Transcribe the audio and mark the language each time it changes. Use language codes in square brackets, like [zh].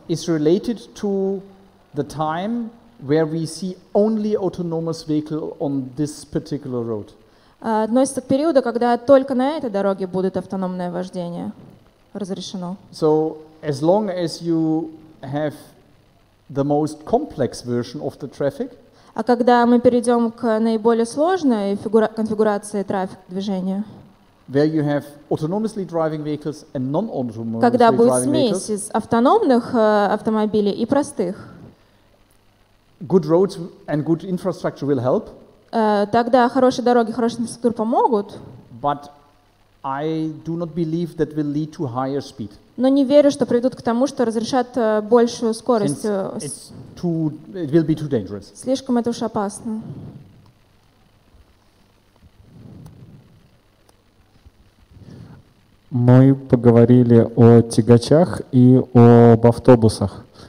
[en] Is related to the time where we see only autonomous vehicle on this particular road. [ru] Относится к периоду, когда только на этой дороге будет автономное вождение. Разрешено. [en] So as long as you have the most complex version of the traffic. [ru] А когда мы перейдем к наиболее сложной конфигурации трафика движения? [en] Where you have autonomously driving vehicles and non-autonomously driving vehicles. [ru] Когда будет смесь из автономных автомобилей и простых? [en] Good roads and good infrastructure will help. [ru] Тогда хорошие дороги, хорошая инфраструктура помогут. [en] But I do not believe that will lead to higher speed. [ru] Но не верю, что приведут к тому, что разрешат большую скорость. [en] It will be too dangerous. [ru] Слишком это уж опасно. Мы поговорили о тягачах и об автобусах.